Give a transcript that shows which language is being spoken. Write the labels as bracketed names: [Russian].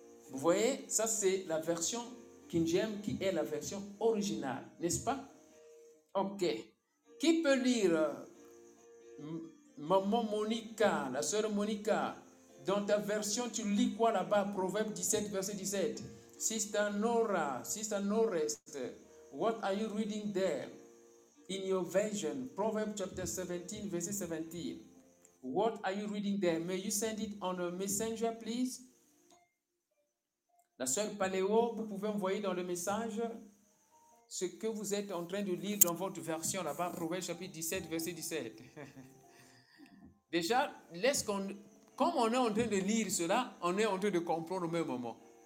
[French] Vous voyez, ça c'est la version King James qui est la version originale, n'est-ce pas? Ok. Qui peut lire, Maman Monica, la sœur Monica, dans ta version, tu lis quoi là-bas? Proverbe 17, verset 17. [English] Sister Nora, Sister Norest, what are you reading there in your version? Proverbs chapter 17, verse 17. What are you reading there? May you send it on a messenger, please? [French] La sœur Paléo, vous pouvez envoyer dans le message ce que vous êtes en train de lire dans votre version là-bas, Proverbes chapitre 17, verset 17. Déjà, comme on est en train de lire cela, on est en train de comprendre au même moment.